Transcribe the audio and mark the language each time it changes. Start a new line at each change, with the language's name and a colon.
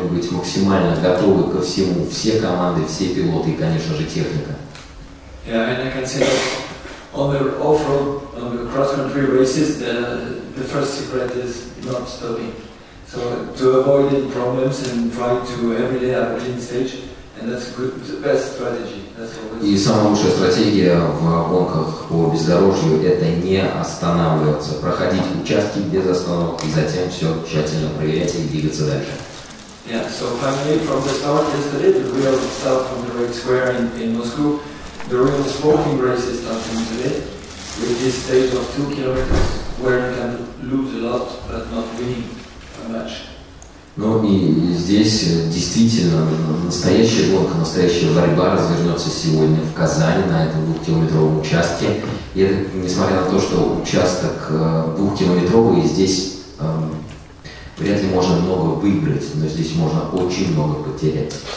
Russian: Максимально готовы ко всему, все команды, все пилоты и, конечно же, техника.
English: Yeah, and I can say that on the off-road, on the cross-country races, the first secret is not stopping. So to avoid any problems and try to every day have a clean stage, and that's good, the best strategy. That's always.
Russian: И самая лучшая стратегия в гонках по бездорожью – это не останавливаться, проходить участки без остановок и затем все тщательно проверять и двигаться дальше.
English: Yeah, so finally from the start yesterday, the real start from the Red Square in Moscow, the real sporting race is starting today, with this stage of 2 kilometers, where you can lose a lot, but not winning a match.
Russian: Ну и здесь действительно настоящая гонка, настоящая борьба развернется сегодня в Казани на этом 2-километровом участке. И это, несмотря на то, что участок 2-километровый, здесь вряд ли можно много выиграть, но здесь можно очень много потерять.